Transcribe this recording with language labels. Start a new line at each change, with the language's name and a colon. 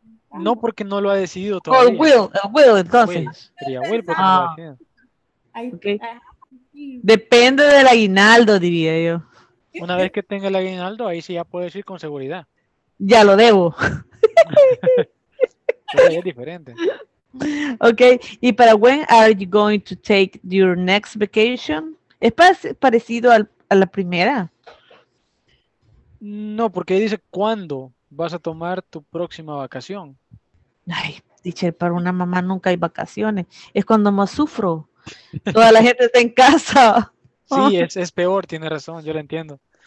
Spanish: No, porque no lo ha decidido todavía.
English: Or will, entonces.
Spanish: Sería will, porque no lo ha decidido. Okay. Depende del aguinaldo, diría yo. Una vez que tenga el aguinaldo, ahí sí ya puedo decir con seguridad. Ya lo debo. Es diferente.
English: Ok, y para when are you going to take your next vacation?
Spanish: ¿Es parecido a la primera? No, porque dice cuándo vas a tomar tu próxima vacación. Ay, dice, para una mamá nunca hay vacaciones. Es cuando más sufro. Toda la gente está en casa. Sí, es peor, tiene razón, yo lo entiendo.